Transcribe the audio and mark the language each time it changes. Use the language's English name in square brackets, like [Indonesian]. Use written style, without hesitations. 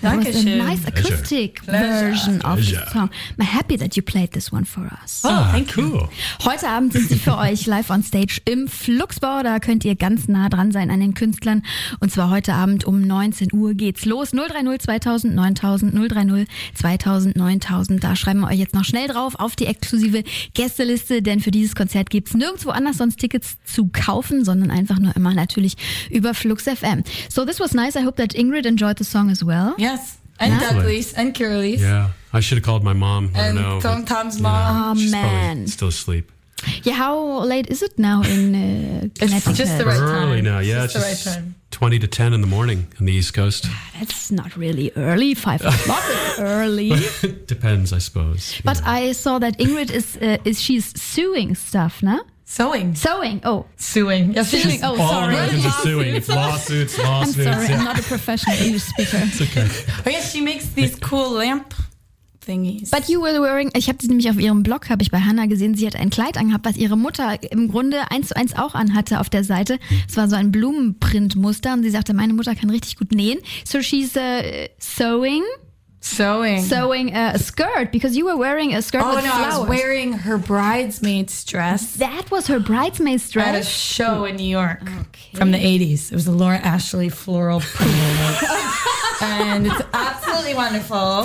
[English] That was a nice acoustic version of the song. I'm happy that you played this one for us. Oh, thank you. [German] Heute Abend sind sie für euch [English] live on stage [German] im Fluxbau. Da könnt ihr ganz nah dran sein an den Künstlern. Und zwar heute Abend um 19 Uhr geht's los. 030-2000-9000. Da schreiben wir euch jetzt noch schnell drauf auf die exklusive Gästeliste. Denn für dieses Konzert gibt's nirgendwo anders sonst Tickets zu kaufen, sondern einfach nur immer natürlich über Flux FM. [English] So this was nice. I hope that Ingrid enjoyed the song as well. Yes. And yeah. Douglas and Curly. Yeah. I should have called my mom. And I don't know. Tom's mom. Oh, she's man. Still asleep. Yeah. How late is it now in Connecticut? It's just the right time. Early now. Yeah. It's just the right time. 20 to 10 in the morning on the East Coast. That's not really early. 5 o'clock is early. Depends, I suppose. But know. I saw that Ingrid is she's sewing stuff, no? Sewing. Oh. Suing. Yeah, suing. Oh, sorry. Americans are suing. It's lawsuits, lawsuits. I'm sorry, I'm not a professional English speaker. It's okay. Oh, yeah, she makes these cool lamp thingies. But you were wearing, [German] ich habe sie nämlich auf ihrem Blog, habe ich bei Hannah gesehen, sie hat ein Kleid angehabt, was ihre Mutter im Grunde 1:1 auch anhatte auf der Seite. Es war so ein Blumenprintmuster und sie sagte, meine Mutter kann richtig gut nähen. [English] So she's sewing. Sewing a skirt, because you were wearing a skirt with flowers. Oh, no, I was wearing her bridesmaid's dress. That was her bridesmaid's dress? At a show in New York from the 80s. It was a Laura Ashley floral print. And it's absolutely wonderful.